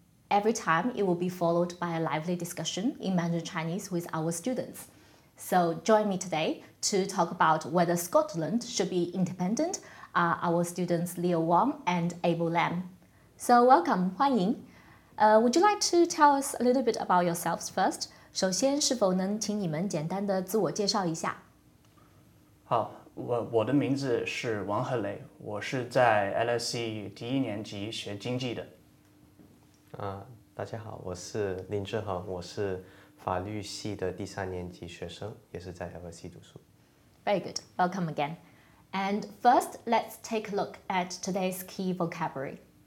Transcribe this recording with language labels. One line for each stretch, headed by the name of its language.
English: Every time, it will be followed by a lively discussion in Mandarin Chinese with our students. So join me today to talk about whether Scotland should be independent, our students Leo Wong and Abel Lam. So welcome,
Chinese: 欢迎。
English: Would you like to tell us a little bit about yourselves first?
Chinese: 首先是否能请你们简单的自我介绍一下？好，我的名字是王和雷，我是在 LSE 第一年级学经济的。大家好，我是林志恒，我是法律系的第三年级学生，也是在 LSE 读书。
English: Very good, welcome again. And first, let's take a look at today's key vocabulary.